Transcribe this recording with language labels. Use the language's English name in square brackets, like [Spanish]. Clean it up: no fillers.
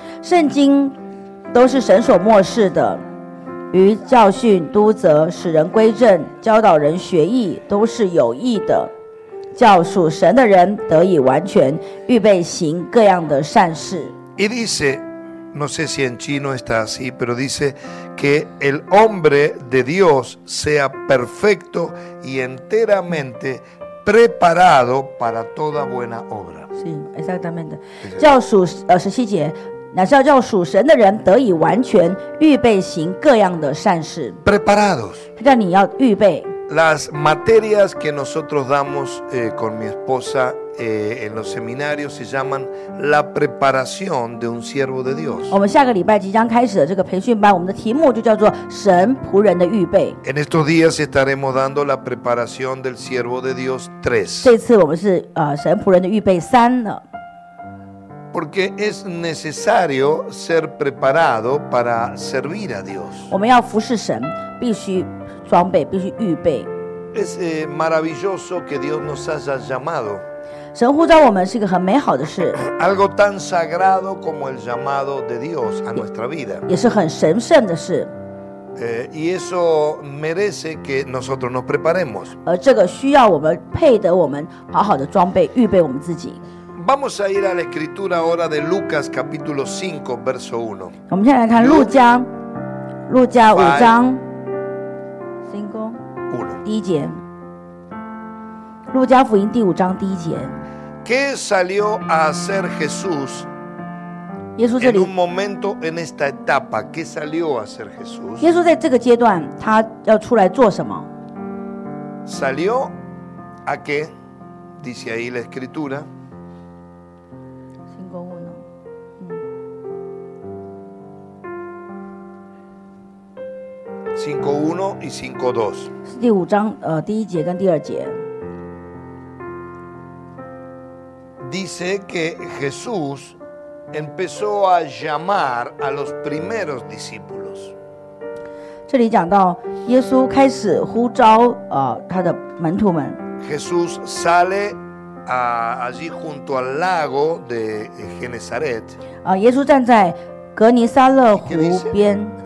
[Chinese] 圣经都是神所默示的。于教训、督责、使人归正、教导人学义，都是有益的，叫属神的人得以完全，预备行各样的善事。 [Spanish] Y dice, no sé si en chino está así, pero dice que el hombre de Dios sea perfecto y enteramente preparado para toda buena obra. Sí, exactamente. [Chinese] 叫属十七节。乃是要叫属神的人得以完全预备行各样的善事 [Spanish] preparados [Chinese] 叫你要预备 [Spanish] las materias que nosotros damos con mi esposa en los seminarios se llaman la preparación de un siervo de Dios [Chinese] 我们下个礼拜即将开始的这个培训班我们的题目就叫做神仆人的预备 [Spanish] en estos días estaremos dando la preparación del siervo de Dios 3 [Chinese] 这次我们是神仆人的预备3了 [Spanish] Porque es necesario ser preparado para servir a Dios. [Chinese] 我们要服侍神，必须装备，必须预备。 [Spanish] Es maravilloso que Dios nos haya llamado. [Chinese] 神呼召我们是一个很美好的事。 [Spanish] Algo tan sagrado como el llamado de Dios a nuestra vida. [Chinese] 也是很神圣的事。 [Spanish] Y eso merece que nosotros nos preparemos. [Chinese] 而这个需要我们配得我们好好的装备，预备我们自己。 [Spanish] Vamos a ir a la escritura ahora de Lucas capítulo 5 verso 1. [Chinese] 我们现在来看路加，路加五章 ，cinco， 1，第一节。路加福音第五章第一节。 [Spanish] ¿Qué salió a hacer Jesús? [Chinese] 耶稣这里。 [Spanish] En un momento en esta etapa, ¿qué salió a hacer Jesús? [Chinese] 耶稣在这个阶段，他要出来做什么 [Spanish] ？Salió a qué? Dice ahí la escritura. 5:1 y 5:2. [Chinese] 是第五章第一节跟第二节。 [Spanish] Dice que Jesús empezó a llamar a los primeros discípulos. [Chinese] 这里讲到耶稣开始呼召他的门徒们。 [Spanish] Jesús sale allí junto al lago de Genezaret. [Chinese] 耶稣站在格尼撒勒湖边。